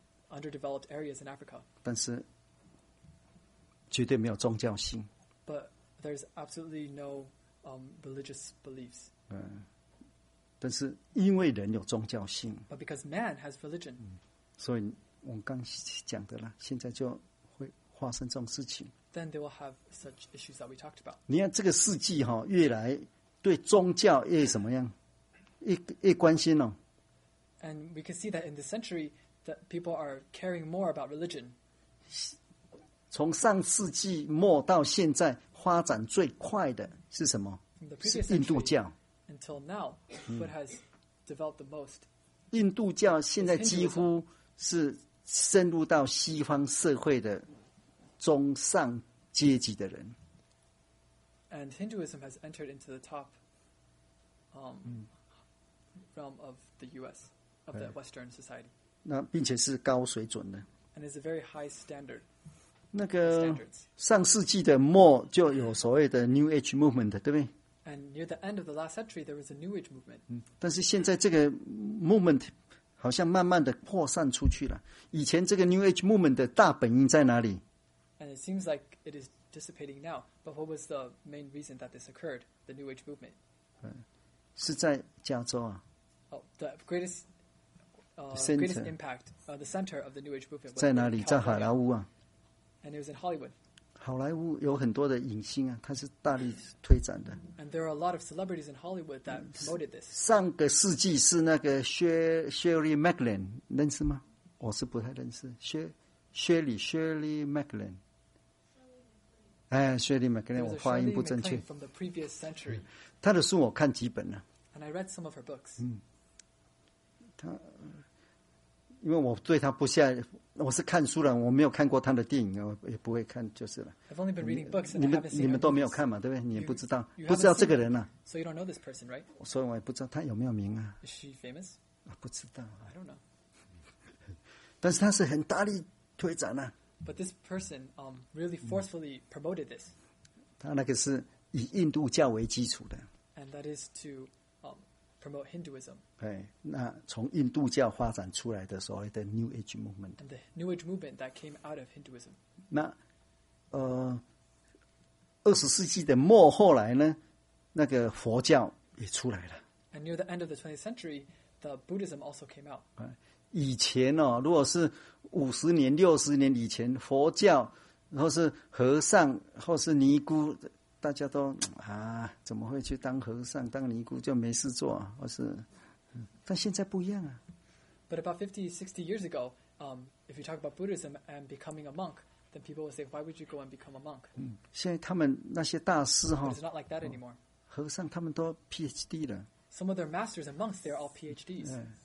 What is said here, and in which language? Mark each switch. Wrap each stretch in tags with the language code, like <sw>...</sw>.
<en>Underdeveloped areas in Africa.</en> <zh>但是绝对没有宗教性。</zh> <en>But there's absolutely no religious beliefs.</en> <zh>但是因为人有宗教性。</zh> <en>But because man has religion.</en> <zh>所以我刚讲的了，现在就会发生这种事情。</zh> <en>Then they will have such issues that we talked about.</en> <zh>你看这个世纪哈，越来对宗教越怎么样，越关心了。</zh> <en>And we can see that in this century. That people are caring more about religion.</en> <zh>从上世纪末到现在，发展最快的是什么？是印度教。</zh> <en>Until now, what has developed the most?</en> <zh>印度教现在几乎是深入到西方社会的中上阶级的人。</zh> <en>And Hinduism has entered into the top realm of the U.S., of the Western society.</en> <zh>那并且是高水准的。</zh> <en>And it's a very high standard.</en> <zh>那个上世纪的末就有所谓的 New Age movement, 对不对？</zh> <en>And near the end of the last century, there was a New Age movement.</en> <zh>但是现在这个 movement 好像慢慢的扩散出去了。以前这个 New Age movement 的大本营在哪里？</zh> <en>And it seems like it is dissipating now. But what was the main reason that this occurred, the New Age movement?</en> <zh>是在加州啊。</zh> <en>Oh, the greatest, greatest impact, the center of the New Age movement.</en> <zh>在哪里？在好莱坞啊。</zh> <en>And it was in Hollywood.</en> <zh>好莱坞有很多的影星啊，他是大力推展的。</zh> <en>And there are a lot of celebrities in Hollywood that promoted this.</en> <zh>上个世纪是那个Shirley MacLaine， 认识吗？我是不太认识。Shirley MacLaine。哎 ，Shirley MacLaine， 我发音不正确。</zh> <en>From the previous century.</en> <zh>他的书我看几本了。</zh> <en>And I read some of her books.</en> <zh>他因为我对他不下。我是看书了，我没有看过他的电影，我也不会看，就是了。</zh> <en>I've only been reading books, and I haven't seen movies.</en> <zh>都没有看嘛，对不对？你也不知道，不知道这个人啊。</zh> <en>So you don't know this person, right?</en> <zh>所以我也不知道他有没有名啊。</zh> <en>Is she famous?</en> <zh>啊，不知道。</zh> <en>I don't know.</en> <zh>但是他是很大力推展啊。</zh> <en>But this person, really forcefully promoted this.</en> <zh>他那个是以印度教为基础的。</zh> <en>And that is to, promote Hinduism.</en> <zh>对，那从印度教发展出来的所谓的 New Age movement.</zh> <en>And the New Age movement that came out of Hinduism.</en> <zh>那，二十世纪的末后来呢，那个佛教也出来了。</zh> <en>And near the end of the 20th century, the Buddhism also came out.</en> <zh>以前哦，如果是五十年、六十年以前，佛教，然后是和尚，或是尼姑。大家都啊，怎么会去当和尚、当尼姑就没事做？或是，但现在不一样啊。</zh> <en>But about 50-60 years ago, if you talk about Buddhism and becoming a monk, then people would say, "Why would you go and become a monk?"</en> <zh>现在他们那些大师哈、</zh> <en>But it's not like that anymore.</en> <zh>和尚他们都 PhD 了。</zh> <en>Some of their masters and monks, they're all PhDs.</en>